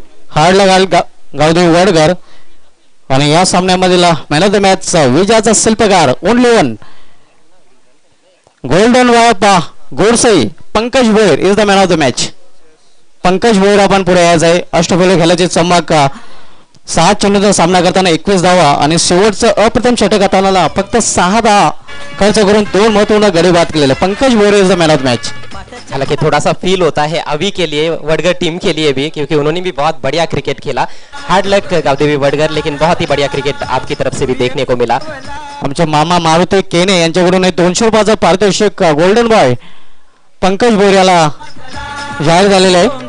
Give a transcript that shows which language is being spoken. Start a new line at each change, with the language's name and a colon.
Marathi: हार लगाल गावदे वडकर, आणि या सामन्यामधील मॅन ऑफ द मॅच विजयाचा शिल्पकार only one golden वापा गोरसई Pankaj Bhoir
English: Is the man of the match.
Marathi: Pankaj Bhoir आपण पुढे यायचं आहे, अष्टपैलू खेळाचे चमक, 6 चेंडूचा सामना करताना 21 धावा आणि शेवटचं अप्रथम षटक आताला फक्त 6 धावा खर्च करून 2 महत्वपूर्ण गडी बाद केलेले Pankaj Bhoir
English: Is the man of the match.
Hindi: हालांकि थोड़ा सा फील होता है अभी के लिए वडगर टीम के लिए भी, क्योंकि उन्होंने भी बहुत बढ़िया क्रिकेट खेला। हार्ड लक गावदेवी वडगर, लेकिन बहुत ही बढ़िया क्रिकेट आपकी तरफ से भी देखने को मिला।
Marathi: आमचे मामा मारुते केने यांच्याकडून 200 रुपयाचा पारितोषिक गोल्डन बॉय पंकज भोईराला जाहीर झालेला आहे।